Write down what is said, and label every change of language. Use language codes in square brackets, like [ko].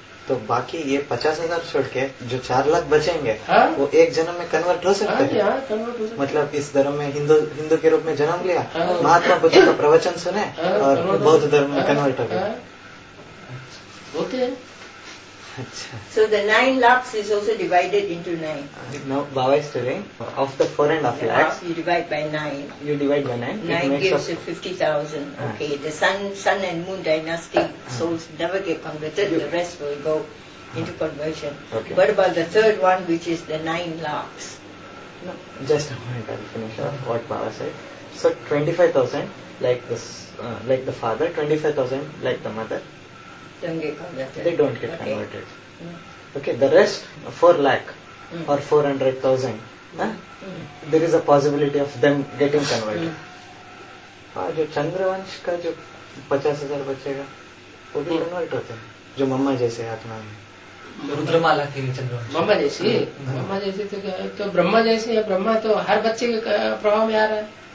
[hi] तो बाकी ये 50,000 छोड़ के जो 4,00,000 बचेंगे हा? वो एक जन्म में कन्वर्ट हो सकते हैं, मतलब इस धर्म में हिंदू के रूप में जन्म लिया, महात्मा बुद्ध का प्रवचन सुने और बौद्ध धर्म में कन्वर्ट हो गया। [en] So the 9 lakhs is also divided into 9. No, Baba is telling, of the 4.5 lakhs, you divide by 9. You divide by 9. 9 gives you 50,000. Okay, the sun and moon dynasty souls never get converted, the rest will go into conversion. Okay. What about the third one, which is the 9 lakhs? No. Just a moment, I'll finish off what Baba said. So 25,000, like the father, 25,000, like the mother. They don't get converted. Okay, the rest 4 lakh or 400,000. There is a possibility of them getting converted. [hi] हाँ जो चंद्रवंश का जो 50,000 बचेगा वो भी convert होते हैं, जो मम्मा जैसे आत्मा में रुद्रमाला के लिए चंद्रवंश मम्मा जैसे तो क्या तो ब्रह्मा जैसे या ब्रह्मा तो हर बच्चे के प्रभाव में आ रहा है।